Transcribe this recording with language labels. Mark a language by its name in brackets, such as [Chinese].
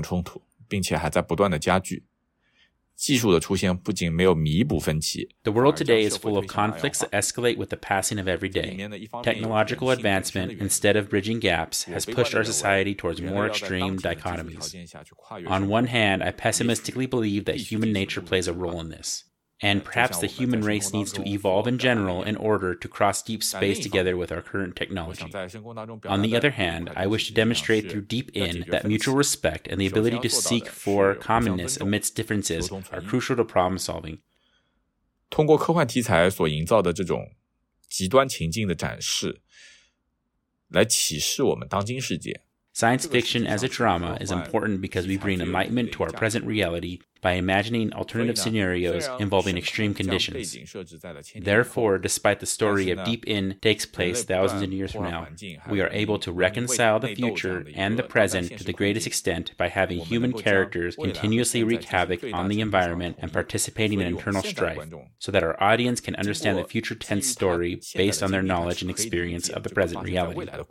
[Chinese] 当今的世界呢，充满了各种冲突，并且还在不断的加剧。 [English] The world today is full of conflicts that escalate with the passing of every day. Technological advancement, instead of bridging gaps, has pushed our society towards more extreme dichotomies. On one hand, I pessimistically believe that human nature plays a role in this, and perhaps the human race needs to evolve in general in order to cross deep space together with our current technology. On the other hand, I wish to demonstrate through Deep In that mutual respect and the ability to seek for commonness amidst differences are crucial to problem solving. [Chinese] 通过科幻题材所营造的这种极端情境的展示来启示我们当今世界。 [English] Science fiction as a drama is important because we bring enlightenment to our present reality by imagining alternative scenarios involving extreme conditions. Therefore, despite the story of Deep Inn takes place thousands of years from now, we are able to reconcile the future and the present to the greatest extent by having human characters continuously wreak havoc on the environment and participating in internal strife, so that our audience can understand the future tense story based on their knowledge and experience of the present reality.